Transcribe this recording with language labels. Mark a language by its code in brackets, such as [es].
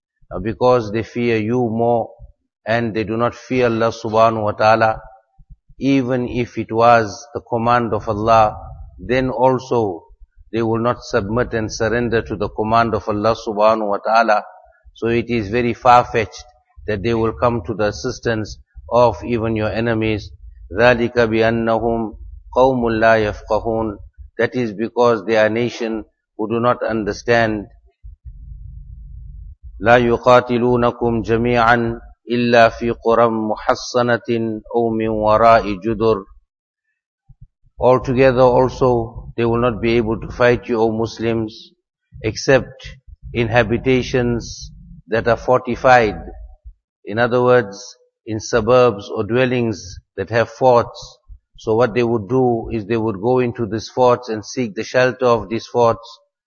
[en] Now, because they fear you more and they do not fear Allah subhanahu wa ta'ala, even if it was the command of Allah, then also they will not submit and surrender to the command of Allah subhanahu wa ta'ala. So it is very far-fetched that they will come to the assistance of even your enemies. [ar] ذَلِكَ بِأَنَّهُمْ قَوْمٌ لَا يَفْقَهُونَ. [en] That is because they are a nation who do not understand. [ar] لا يقاتلونكم جميعا إلا في قرى محصنة أو من وراء جدر. [en] Altogether also they will not be able to fight you, O Muslims, except in habitations that are fortified. In other words, in suburbs or dwellings that have forts. So what they would do is they would go into these forts and seek the shelter of these forts.